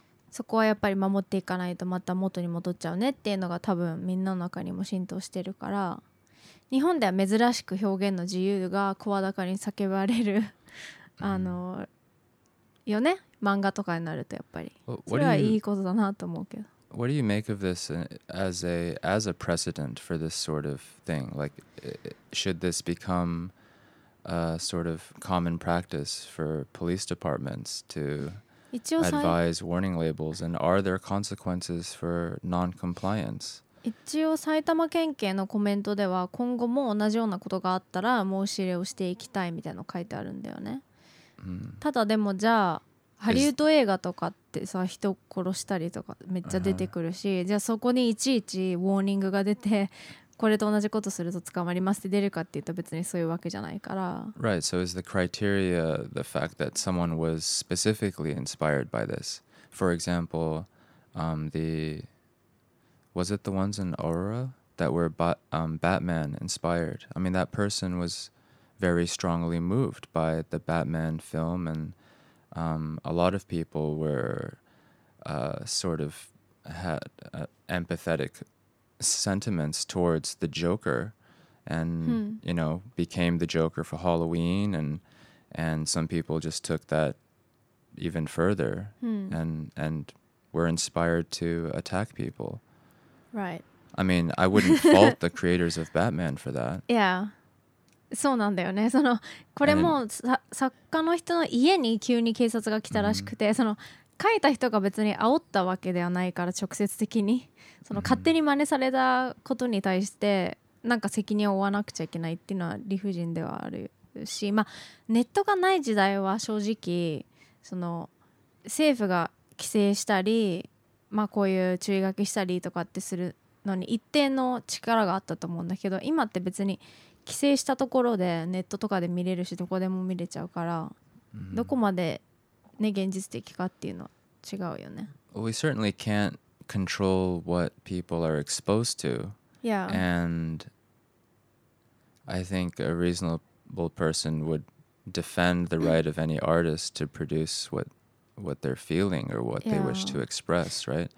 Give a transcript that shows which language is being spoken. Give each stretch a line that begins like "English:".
Japanese: そこはやっぱり守っていかないとまた元に戻っちゃうねっていうのが多分みんなの中にも浸透してるから、日本では珍しく表現の自由が声高に叫ばれるよね、漫画とかになるとやっぱりそれはいいことだなと思うけど。
English: What do you make of this as a precedent for this sort of thing? Like, should this becomesort of common practice for police departments to advise warning labels, and are there consequences for non-compliance?
Japanese: 一応埼玉県警のコメントでは、今後も同じようなことがあったら申し入れをしていきたいみたいなの書いてあるんだよね。ただでもじゃあハリウッド映画とかってさ、人殺したりとかめっちゃ出てくるし、じゃあそこにいちいちウォーニングが出てこれと同じことすると捕まりますって出るかって言うと別にそういうわけじゃないから。
English: Right, so is the criteria the fact that someone was specifically inspired by this? For example, was it the ones in Aurora that were Batman inspired? I mean, that person was very strongly moved by the Batman film, and a lot of people were sort of had empathetic sentiments towards the Joker, and you know, became the Joker for Halloween, and some people just took that even further and were inspired to attack people. Right. I mean, I wouldn't fault the creators of Batman for that.
Japanese: Yeah. そうなんだよね。そのこれも作家の人の家に急に警察が来たらしくて、その書いた人が別に煽ったわけではないから直接的にその勝手に真似されたことに対してなんか責任を負わなくちゃいけないっていうのは理不尽ではあるし、まあ、ネットがない時代は正直その政府が規制したり、まあ、こういう注意書きしたりとかってするのに一定の力があったと思うんだけど、今って別に規制したところでネットとかで見れるしどこでも見れちゃうから、どこまでね現実的かっていうのは違うよね。
English: We certainly can't control what people are exposed to. Yeah. And I think a reasonable person would defend the right of any artist to produce what they're feeling or what they wish to express, right?